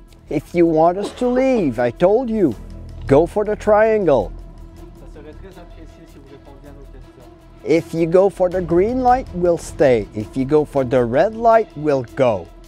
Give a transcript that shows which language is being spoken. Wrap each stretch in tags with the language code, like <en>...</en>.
<en>If you want us to leave, I told you, go for the triangle.</en> <fr>Ça serait très apprécié si vous répondiez à nos questions.</fr> <en>If you go for the green light, we'll stay. If you go for the red light, we'll go.</en>